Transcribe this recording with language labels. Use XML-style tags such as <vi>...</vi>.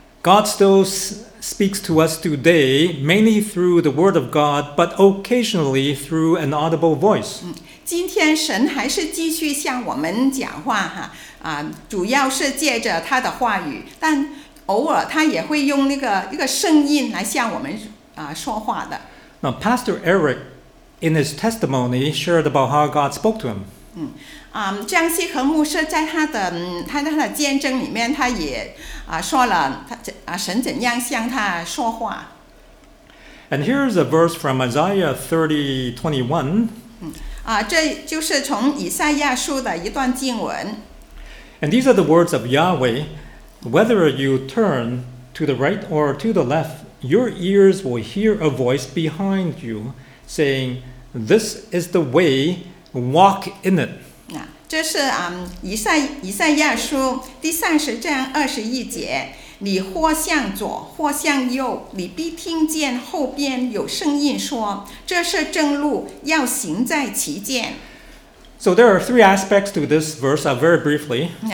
<en>God still speaks to us today, mainly through the Word of God, but occasionally through an audible voice.</en> <zh>今天神还是继续向我们讲话哈啊，主要是借着他的话语，但偶尔他也会用那个一个声音来向我们说话的。</zh> <en>Now, Pastor Eric, in his testimony, shared about how God spoke to him.</en> <zh>江西和牧师在他的见证里面，他也说了神怎样向他说话。</zh> <en>And here's a verse from Isaiah 30:21.</en> <zh>这就是从以赛亚书的一段经文。</zh> <en>And these are the words of Yahweh, whether you turn to the right or to the left, your ears will hear a voice behind you saying, this is the way, walk in it.</en> <zh>这是以赛亚书第30:21，你或向左或向右，你必听见后边有声音说，这是正路，要行在其间。</zh> <en>So there are three aspects to this verse, very briefly.</en>